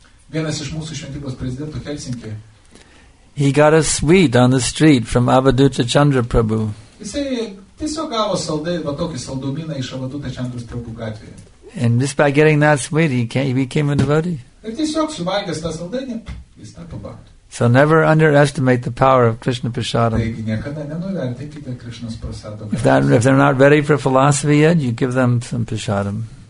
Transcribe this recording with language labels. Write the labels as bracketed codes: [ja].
[lt] Vienas iš mūsų šventyklos prezidentų Helsinki. [en] He got a sweet on the street from Avadhuta Chandra Prabhu. [lt] Jisai tiesiog gavo tokį saldumyną iš Avadhuta Chandra Prabhu gatvėje. [en] And just by getting that sweet, he became a devotee. [lt] Ir tiesiog suvalgęs tą saldainį, jis tapo bhaktu. [en] So never underestimate the power of Krishna prasadam. If they're not ready for philosophy yet, you give them some prasadam.